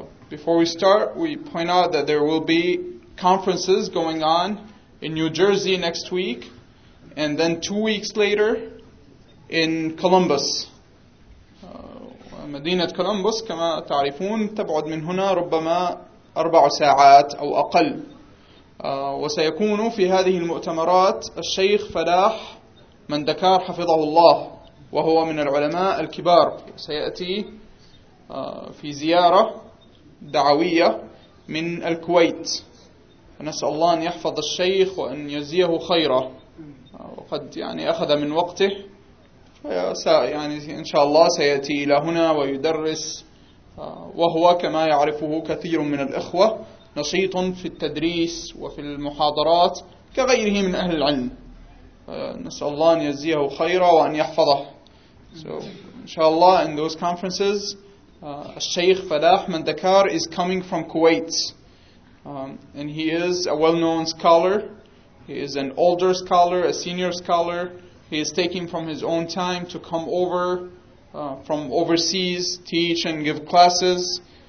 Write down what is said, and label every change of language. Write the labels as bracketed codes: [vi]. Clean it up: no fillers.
[en] Before we start, we point out that there will be conferences going on in New Jersey next week, and then 2 weeks later in Columbus. [ar] مدينة كولومبوس كما تعرفون تبعد من هنا ربما 4 ساعات أو أقل. وسيكون في هذه المؤتمرات الشيخ فلاح مندكار حفظه الله، وهو من العلماء الكبار. سيأتي في زيارة دعوية من الكويت. نسأل الله أن يحفظ الشيخ وأن يزيه خيرا، وقد يعني أخذ من وقته، يعني إن شاء الله سيأتي إلى هنا ويدرس، وهو كما يعرفه كثير من الإخوة نشيط في التدريس وفي المحاضرات كغيره من أهل العلم. نسأل الله أن يزيه خيرا وأن يحفظه. إن شاء الله [en] in those conferences الشيخ فلاح مندكار is coming from Kuwait. And he is a well-known scholar. He is an older scholar, a senior scholar. He is taking from his own time to come over from overseas, teach and give classes.